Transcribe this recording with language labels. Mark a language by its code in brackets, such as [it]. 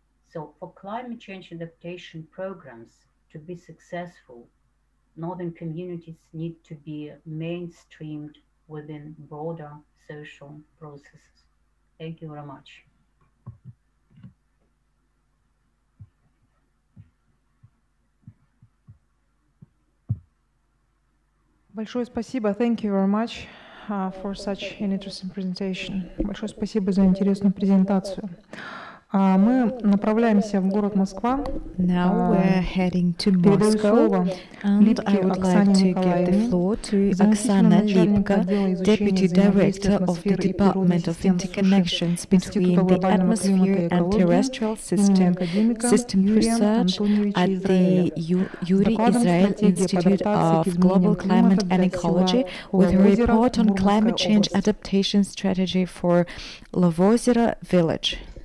[en] So for climate change adaptation programs to be successful, northern communities need to be mainstreamed within broader social processes. Thank you very much. [ru] Большое спасибо. [en] Thank you very much for such an interesting presentation. [ru] Большое спасибо за интересную презентацию. Мы направляемся в город Москва. [en] Now we're heading to Moscow. And I would like to give the floor to Оксана Липко, Deputy Director of the Department of Interconnections between the Atmosphere and Terrestrial System Research at the Yuri Israel Institute of Global Climate and Ecology with a report on climate change adaptation strategy for Lavozero village.